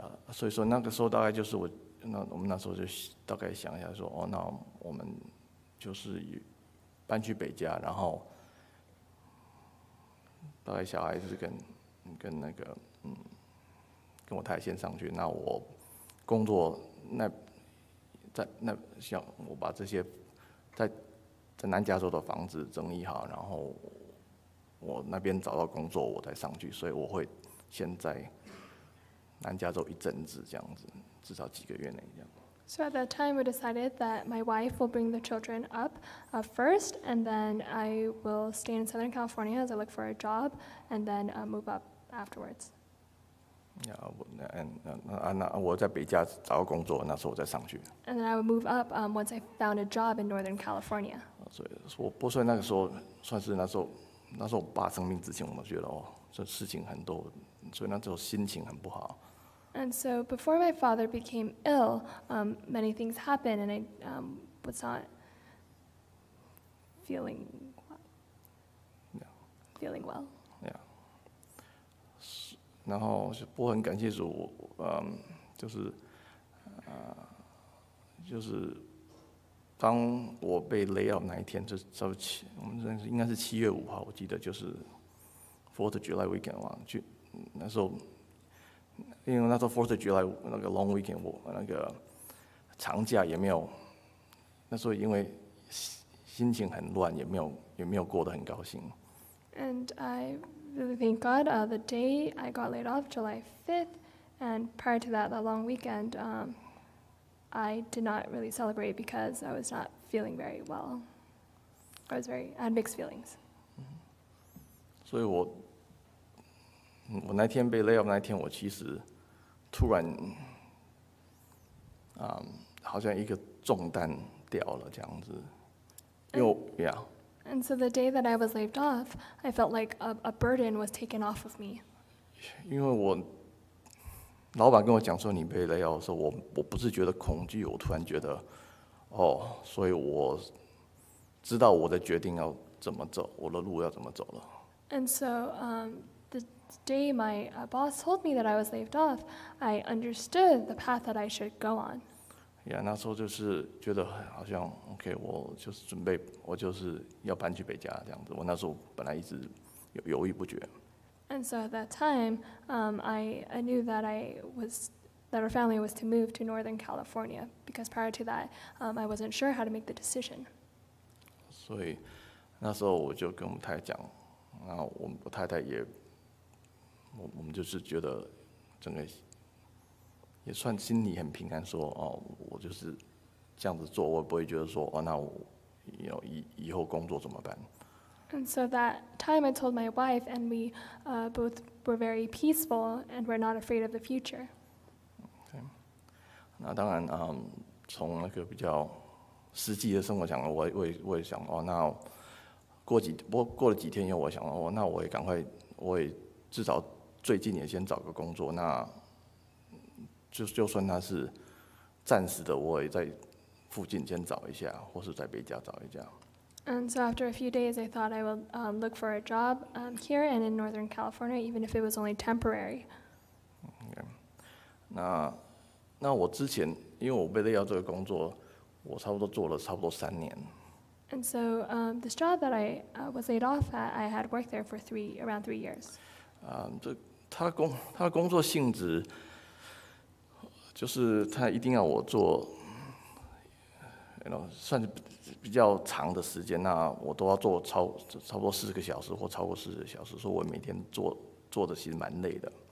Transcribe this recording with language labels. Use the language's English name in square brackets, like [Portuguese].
[Chinese] 所以说那个时候大概就是我们那时候就大概想一下说，哦，那我们就是搬去北加，然后大概小孩子跟那个跟我太太先上去，那我工作那在那像我把这些在南加州的房子整理好，然后我那边找到工作，我再上去。所以我会先在南加州一阵子，这样子，至少几个月内这样。 [English] So at that time, we decided that my wife will bring the children up first, and then I will stay in Southern California as I look for a job, and then move up afterwards. [Chinese] I 在北加找到工作，那时候我再上去。 [English] And then I would move up once I found a job in Northern California. [Chinese] 所以我不算那个时候，算是那时候我爸生病之前，我们觉得哦，这事情很多，所以那时候心情很不好。 [English] And so before my father became ill, many things happened, and I was not. feeling well. Yeah. [Chinese] 然后就不很感谢主，嗯，就是，就是当我被 [English] lay out [Chinese] 那一天，就是我们认识应该是七月五号，我记得就是 [English] Fourth of July weekend [Chinese] 嘛，就那时候，因为那时候 [English] Fourth of July [Chinese] 那个 [English] long weekend， [Chinese] 我那个长假也没有，那时候因为心情很乱，也没有过得很高兴。 [English] And I really thank God. The day I got laid off, July 5th, and prior to that, the long weekend, I did not really celebrate because I was not feeling very well. I was very, I had mixed feelings. [Chinese] 所以我那天被 [English] lay off [Chinese] 那天，我其实突然，好像一个重担掉了这样子。 [English] And so the day that I was laid off, I felt like a burden was taken off of me. [Chinese] 因为我老板跟我讲说你被 [English] lay off [Chinese] 的时候，我不是觉得恐惧，我突然觉得，哦，所以我知道我的决定要怎么走，我的路要怎么走了。 [English] And so, the day my boss told me that I was laid off, I understood the path that I should go on. [Chinese] Yeah, 那时候就是觉得好像 OK， 我就是准备，我就是要搬去北加这样子。我那时候本来一直犹豫不决。 [English] And so at that time, I knew that our family was to move to Northern California because prior to that, I wasn't sure how to make the decision. [Chinese] 所以那时候我就跟我太太讲，然后我太太也，我们就是觉得整个也算心里很平安，说哦，我就是这样子做，我不会觉得说哦，那我 以后工作怎么办？ [English] And so that time I told my wife, and we both were very peaceful and were not afraid of the future. Okay. [Chinese] 那当然，从那个比较实际的生活讲，我也想哦，那过了几天以后，我想哦，那我也赶快，我也至少最近也先找个工作，那就算他是暂时的，我也在附近先找一下，或是在北加找一下。 [English] And so after a few days, I thought I will look for a job here and in Northern California, even if it was only temporary. Okay. [Chinese] 那我之前，因为我被要这个工作，我差不多做了差不多三年。 [English] And so this job that I was laid off at, I had worked there for around three years. [Chinese] 他工作性质，就是他一定要我做 算是比较长的时间，那我都要做差不多四个小时或超过四个小时，所以我每天做的其实蛮累的。